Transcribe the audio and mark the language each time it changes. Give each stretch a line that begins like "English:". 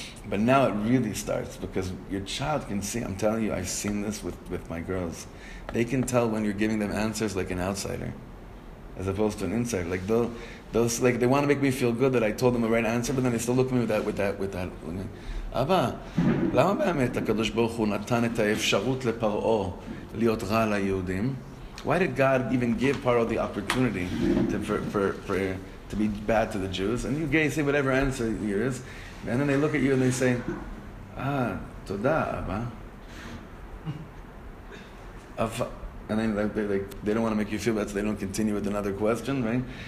English: But now it really starts, because your child can see. I'm telling you, I've seen this with my girls. They can tell when you're giving them answers like an outsider, as opposed to an insider. Like they want to make me feel good that I told them the right answer, but then they still look at me with that.
Hebrew: Abba, למה באמת הקדוש ברוך הוא נתן את האפשרות לפרעו להיות רע ליהודים?
English: Why did God even give Paro the opportunity to be bad to the Jews? And you guys say whatever answer here is, and then they look at you and they say, ah, toda, Abba. And then they don't want to make you feel bad, so they don't continue with another question, right?